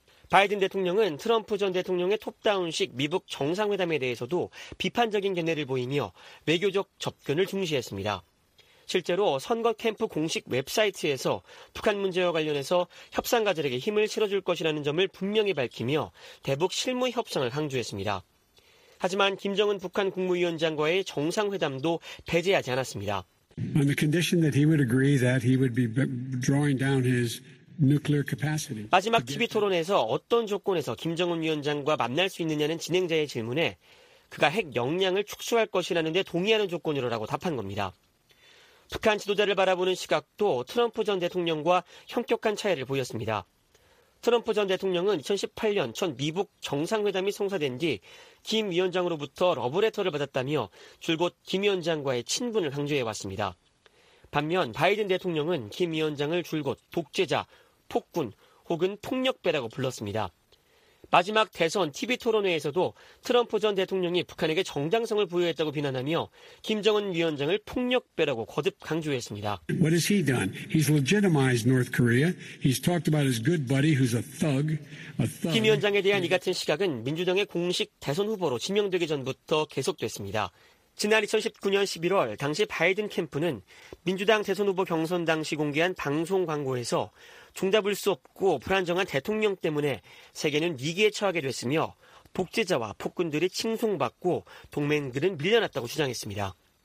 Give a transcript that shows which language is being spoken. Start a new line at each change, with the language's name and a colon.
Korean: 바이든 대통령은 트럼프 전 대통령의 톱다운식 미북 정상회담에 대해서도 비판적인 견해를 보이며 외교적 접근을 중시했습니다. 실제로 선거 캠프 공식 웹사이트에서 북한 문제와 관련해서 협상가들에게 힘을 실어줄 것이라는 점을 분명히 밝히며 대북 실무 협상을 강조했습니다. 하지만 김정은 북한 국무위원장과의 정상회담도 배제하지 않았습니다.
English: On the condition that he would agree that he would be drawing down his nuclear capacity.
Korean: 마지막 TV 토론에서 어떤 조건에서 김정은 위원장과 만날 수 있느냐는 진행자의 질문에 그가 핵 역량을 축소할 것이라는 데 동의하는 조건으로라고 답한 겁니다. 북한 지도자를 바라보는 시각도 트럼프 전 대통령과 현격한 차이를 보였습니다. 트럼프 전 대통령은 2018년 전 미북 정상회담이 성사된 뒤 김 위원장으로부터 러브레터를 받았다며 줄곧 김 위원장과의 친분을 강조해왔습니다. 반면 바이든 대통령은 김 위원장을 줄곧 독재자, 폭군 혹은 폭력배라고 불렀습니다. 마지막 대선 TV 토론회에서도 트럼프 전 대통령이 북한에게 정당성을 부여했다고 비난하며 김정은 위원장을 폭력배라고 거듭 강조했습니다.
English: What has he done? He's legitimized North Korea. He's talked about his good buddy who's a thug.
Korean: 김 위원장에 대한 이 같은 시각은 민주당의 공식 대선 후보로 지명되기 전부터 계속됐습니다. 지난 2019년 11월 당시 바이든 캠프는 민주당 대선 후보 경선 당시 공개한 방송 광고에서 종잡을 수 없고 불안정한 대통령 때문에 세계는 위기에 처하게 됐으며 독재자와 폭군들이 칭송받고 동맹들은 밀려났다고 주장했습니다.